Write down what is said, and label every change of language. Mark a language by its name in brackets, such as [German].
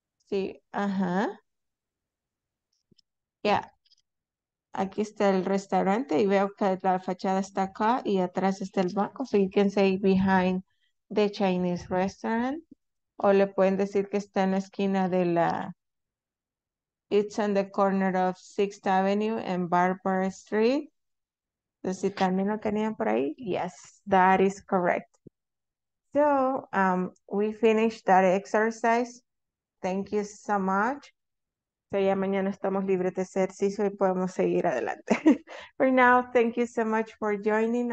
[Spanish] Sí, Yeah, aquí está el restaurante y veo que la fachada está acá y atrás está el banco. [English] So you can say behind the Chinese restaurant. [Spanish] O le pueden decir que está en la esquina de la... [English] It's on the corner of 6th Avenue and Barber Street. [Spanish] Entonces, si también lo tenían por ahí. [English] Yes, that is correct. So we finished that exercise. Thank you so much. [Spanish] So ya mañana estamos libres de ejercicio y podemos seguir adelante. [English] For now, thank you so much for joining.